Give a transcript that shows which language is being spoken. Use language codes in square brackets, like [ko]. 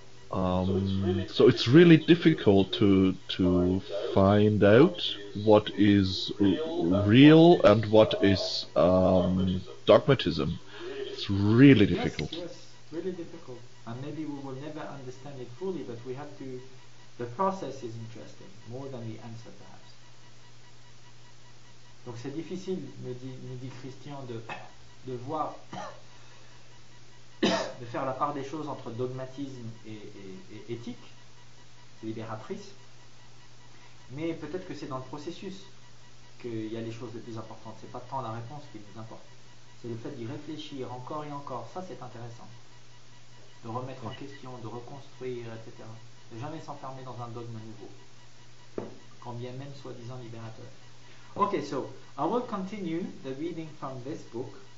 [en] So it's really difficult to find out what is real and what is dogmatism. It's really difficult. Yes, really difficult. And maybe we will never understand it fully, but we have to. The process is interesting, more than the answer, perhaps. [fr] Donc c'est difficile, me dit Christian, de voir, de faire la part des choses entre dogmatisme et éthique, libératrice. Mais peut-être que c'est dans le processus qu'il y a les choses les plus importantes. C'est pas tant la réponse qui nous importe. C'est le fait d'y réfléchir encore et encore, ça c'est intéressant. De remettre en question, de reconstruire, etc. De jamais s'enfermer dans un dogme nouveau, quand bien même soi-disant libérateur. [en] Ok, so, I will continue the reading from this book.